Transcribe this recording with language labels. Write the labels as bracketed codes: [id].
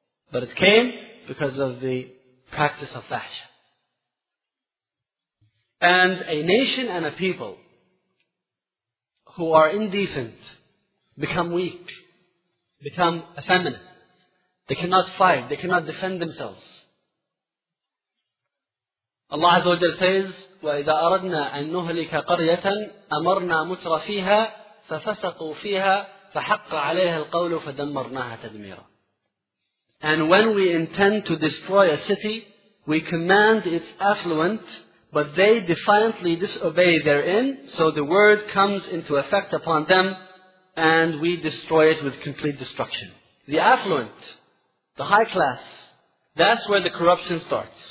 [en] But it came because of the practice of fahisha. And a nation and a people who are indecent become weak, become effeminate. They cannot fight. They cannot defend themselves. Allah Azza wa Jalla says, [ar] وَإِذَا أَرَدْنَا أَن نُهْلِكَ قَرْيَةً أَمَرْنَا مُتْرَ فِيهَا فَفَسَقُوا فِيهَا فَحَقَّ عَلَيْهَا الْقَوْلُ فَدَمَّرْنَاهَا تَدْمِيرًا. [en] And when we intend to destroy a city, we command its affluent, but they defiantly disobey therein, so the word comes into effect upon them, and we destroy it with complete destruction. The affluent, the high class, that's where the corruption starts.